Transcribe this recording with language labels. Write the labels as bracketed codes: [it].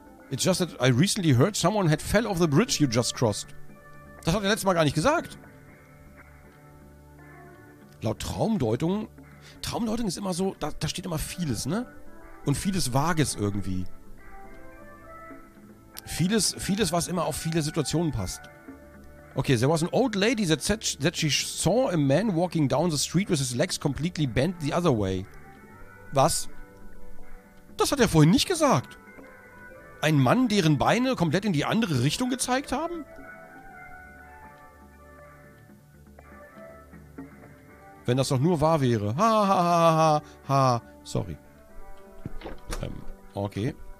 [en] It's just that I recently heard someone had fell off the bridge you just crossed. [de] Das hat er letztes Mal gar nicht gesagt. Laut Traumdeutung. Traumdeutung ist immer so, da steht immer vieles, ne? Und vieles Vages irgendwie. Vieles, was immer auf viele Situationen passt. [en] Okay, there was an old lady that she saw a man walking down the street with his legs completely bent the other way. [de] Was? Das hat er vorhin nicht gesagt. Ein Mann, deren Beine komplett in die andere Richtung gezeigt haben? Wenn das doch nur wahr wäre. Ha, ha, ha, ha, ha. Sorry. Okay.